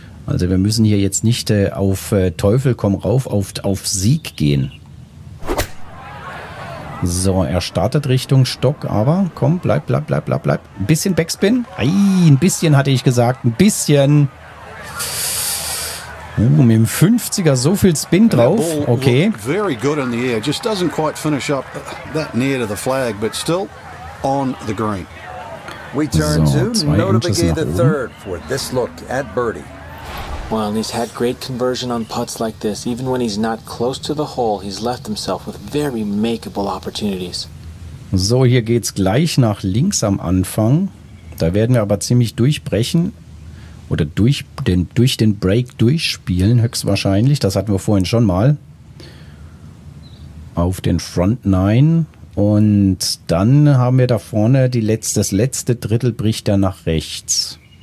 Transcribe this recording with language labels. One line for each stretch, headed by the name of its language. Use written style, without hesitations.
German: Also wir müssen hier jetzt nicht auf Teufel komm rauf, auf Sieg gehen. So, er startet Richtung Stock, aber komm, bleib. Ein bisschen Backspin. Ein bisschen, hatte ich gesagt, ein bisschen. Mit dem 50er so viel Spin drauf. Okay.
English: Very good in the air. Just doesn't quite finish up that near to the flag, but still on the green. We turn to Notabagay the third for this look at birdie. Well, and he's had great conversion on putts like this. Even when he's not close to the hole, he's left himself with very makeable opportunities.
German: So, hier geht's gleich nach links am Anfang. Da werden wir aber ziemlich durchbrechen. Oder durch den Break durchspielen, höchstwahrscheinlich. Das hatten wir vorhin schon mal. Auf den Front 9. Und dann haben wir da vorne das letzte Drittel bricht er nach rechts.